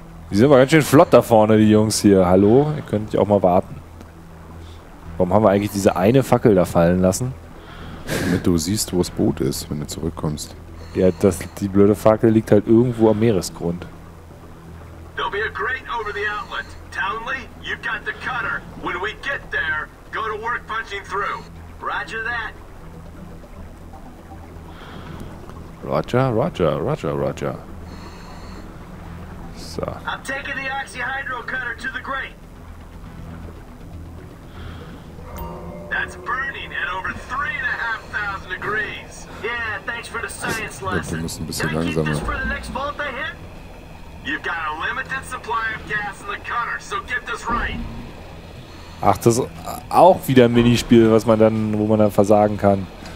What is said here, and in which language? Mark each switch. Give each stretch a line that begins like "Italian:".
German: Die sind aber ganz schön flott da vorne, die Jungs hier. Hallo, ihr könnt ja auch mal warten. Warum haben wir eigentlich diese eine Fackel da fallen lassen? Damit du siehst, wo das Boot ist, wenn du zurückkommst. Ja, das, die blöde Fackel liegt halt irgendwo am Meeresgrund.
English: There'll be a grate over the outlet. Townley, you've got the cutter. When we get there, go to work punching through. Roger that. Roger, roger, roger, roger. So. I'm taking the oxyhydro cutter to the grate. That's burning at over 3,500 degrees. Yeah, thanks for the science lesson.
German: Wir müssen ein bisschen langsamer.
English: Can I keep this for the next vault I hit? You've got a limited supply of gas in the cutter, so get this right.
German: Ach, das ist auch wieder ein Minispiel, was man dann, wo man dann versagen kann.